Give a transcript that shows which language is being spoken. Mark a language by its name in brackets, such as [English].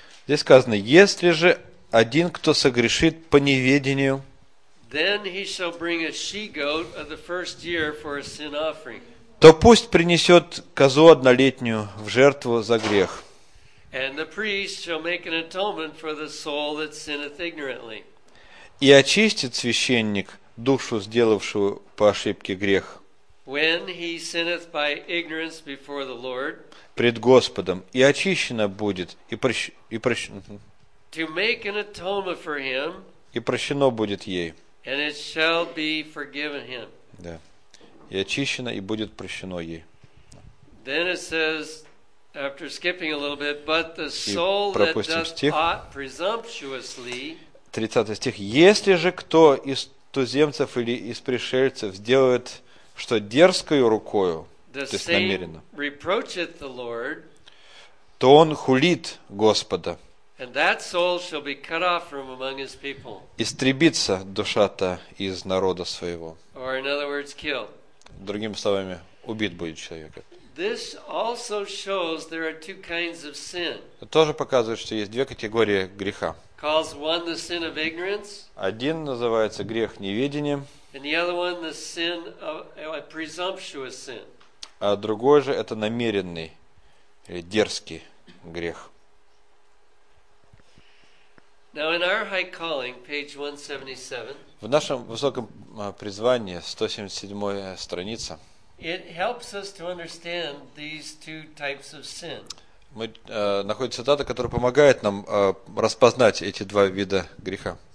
[Russian] Здесь сказано, если же один кто согрешит по неведению. [English] Then he shall bring a she-goat of the first year for a sin offering. [Russian] То пусть принесет козу однолетнюю в жертву за грех. [English] And the priest shall make an atonement for the soul that sinneth ignorantly. [Russian] И очистит священник душу, сделавшую по ошибке грех. [English] When he sinneth by ignorance before the Lord. [Russian] Пред Господом и очищена будет и прощена. [English] To make an atonement for him. [Russian] И прощено будет ей. [English] And it shall be forgiven him. [Russian] Да. И очищено, и будет прощено ей. [English] Then it says, after skipping a little bit, but the soul that doth ought presumptuously. [Russian] 30 стих. Если же кто из туземцев или из пришельцев сделает что дерзкою рукою, то есть намеренно, [English] reproacheth the Lord, [Russian] то он хулит Господа. [English] And that soul shall be cut off from among his people. [Russian] Истребится душа-то из народа своего. [English] Or in other words, killed. [Russian] Другими словами, убит будет человек. [English] This also shows there are two kinds of sin. [Russian] Это тоже показывает, что есть две категории греха. [English] Calls one the sin of ignorance. [Russian] Один называется грех неведения. [English] And the other one the sin of a presumptuous sin. [Russian] А другой же это намеренный или дерзкий грех. [English] Now in our high calling, page 177. [Russian] В нашем высоком призвании, 177-я страница. [English] It helps us to understand these two types of sin. [Russian] Мы находим цитату, которая помогает нам распознать эти два вида греха.